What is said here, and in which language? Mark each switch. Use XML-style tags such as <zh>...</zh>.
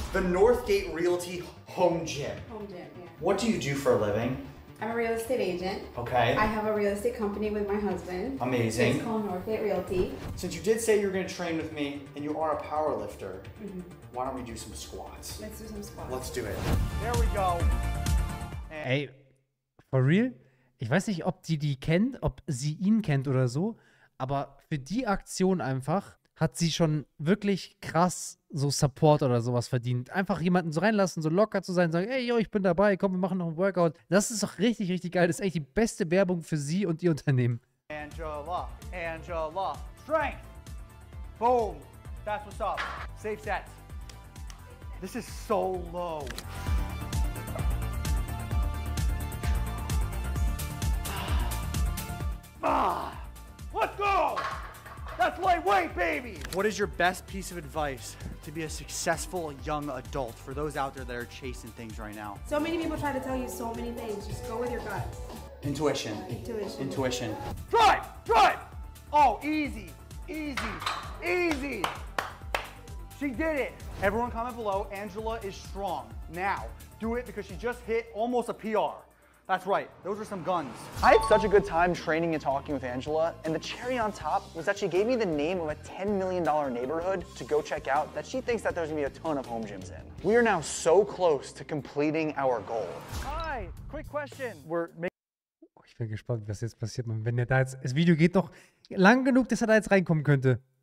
<en>The Northgate Realty home gym. Home gym, yeah. What do you do for a living? I'm a real estate agent. Okay. I have a real estate company with my husband. Amazing. It's called Northgate Realty. Since you did say you were going to train with me and you are a power lifter, mm-hmm. Why don't we do some squats? Let's do some squats. Let's do it. There we go. Ey, for real?</en> <de>Ich weiß nicht, ob die kennt, ob sie ihn kennt oder so, Aber für die Aktion einfach hat sie schon wirklich krass so Support oder sowas verdient. Einfach jemanden so reinlassen, so locker zu sein, sagen, ey, yo, ich bin dabei, komm, wir machen noch ein Workout. Das ist doch richtig, richtig geil. Das ist eigentlich die beste Werbung für sie und ihr Unternehmen.</de> <en>Angela, Angela, strength, boom, that's what's up, safe sets. This is so low. Ah, let's go! That's lightweight, baby! What is your best piece of advice to be a successful young adult for those out there that are chasing things right now? So many people try to tell you so many things. Just go with your gut. Intuition. Intuition. Intuition. Drive! Drive! Oh, easy! Easy! Easy! She did it! Everyone comment below, Angela is strong. Now, do it because she just hit almost a PR. That's right, those are some guns. I had such a good time training and talking with Angela, and the cherry on top was that she gave me the name of a $10 million neighborhood to go check out that she thinks that there's gonna be a ton of home gyms in. We are now so close to completing our goal. Hi, quick question. We're</en> <de>Ich bin gespannt, was jetzt passiert, man. Wenn er da jetzt, das Video geht noch lang genug, dass er da jetzt reinkommen könnte.</de>